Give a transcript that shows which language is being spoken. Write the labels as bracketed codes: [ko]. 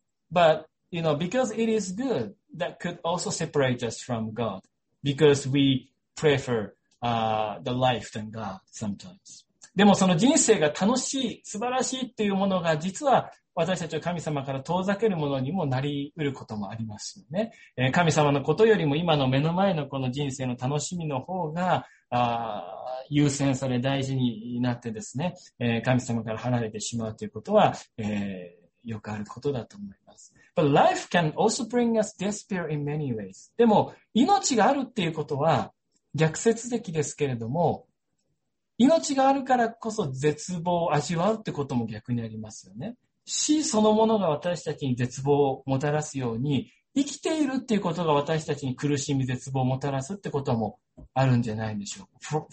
[en] But, you know, because it is good,That could also separate us from God because we prefer, the life than God sometimes. [ja] でもその人生が楽しい、素晴らしいっていうものが実は私たちを神様から遠ざけるものにもなり得ることもありますよね。神様のことよりも今の目の前のこの人生の楽しみの方が、優先され大事になってですね、神様から離れてしまうということは、よくあることだと思います。 [en] But life can also bring us despair in many ways. [ja] でも、命があるっていうことは逆説的ですけれども、命があるからこそ絶望を味わうってことも逆にありますよね。死そのものが私たちに絶望をもたらすように、生きているっていうことが私たちに苦しみ、絶望をもたらすってこともあるんじゃないでしょう。